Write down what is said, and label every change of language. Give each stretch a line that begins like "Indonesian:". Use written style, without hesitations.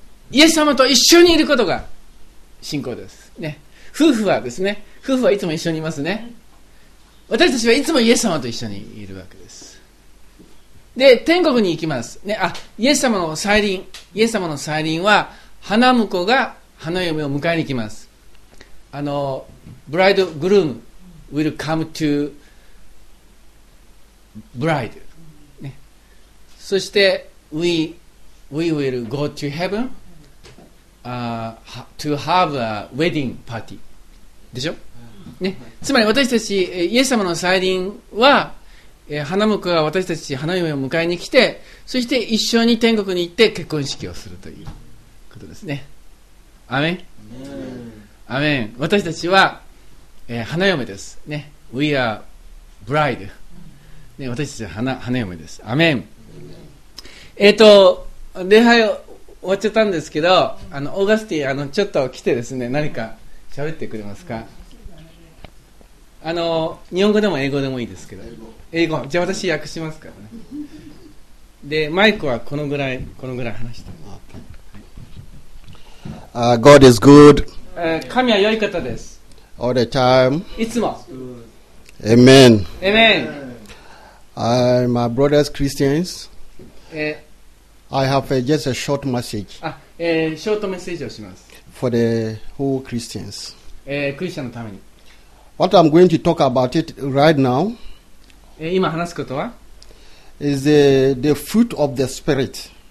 Japanese: イエス様と一緒にいることが信仰です。ね。夫婦はですね、夫婦はいつも一緒にいますね。私たちはいつもイエス様と一緒にいるわけです。で、天国に行きます。ね、イエス様の再臨、イエス様の再臨は、花婿が花嫁を迎えに行きます。
English: ブライドグルーム will come to bride.、
Japanese: ね、そして、
English: we will go to heaven. To have a wedding party
Japanese: でしょ、ね、つまり私たちイエス様の再臨は、花婿が私たち花嫁を迎えに来て、そして一緒に天国に行って結婚式をするということですね。アメン、アメン。私たちは、花嫁です、ね、
English: We are bride、
Japanese: ね、私たちは 花嫁です。アメン。礼拝を終わっちゃったんですけど、あのオーガスティ、あのちょっと来てですね、何か喋ってくれますか。あの日本語でも英語でもいいですけど、英語じゃあ私訳しますからね。でマイクはこのぐらい、このぐらい話して、
English: God is good.
Japanese: 神は良い方です。
English: All the time.
Japanese: いつも。
English: Amen. Amen. My brothers Christians. I have just a short message.
Japanese: ショートメッセージをします。
English: For the whole Christians.
Japanese: クリスチャンのために。
English: What I'm going to talk about it right now.
Japanese: 今話すことは
English: is the fruit of the spirit.